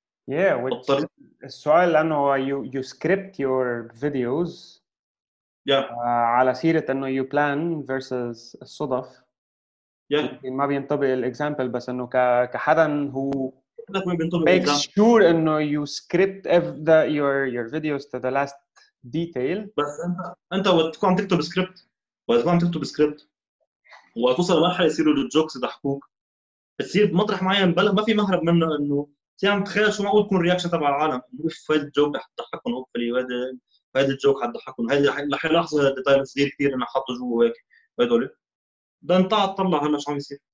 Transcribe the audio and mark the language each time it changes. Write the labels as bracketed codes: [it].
[en] yeah which [ar] السؤال لانه [en] you script your videos yeah [ar] على سيرة انه [en] you plan versus [ar] الصدف [en] yeah [ar] ما بينطبق الاكزامبل بس انه كحدا هو [en] make sure انه you script your videos to the last detail [ar] بس انت وقت تكون عم تكتب سكريبت وتوصل مرحله يصيروا الجوكس يضحكوك، بتصير بمطرح معين بلا ما في مهرب منه، انه تيجي عم تخيل شو معقول تكون رياكشن تبع العالم، اوف هذا الجوك حتضحكهم، اوف هذا الجوك حتضحكهم، هذا رح يلاحظوا هذا الديتايل صغير كثير انه حاطه جوا هيك هذول، بدنا نطلع هلا شو عم يصير.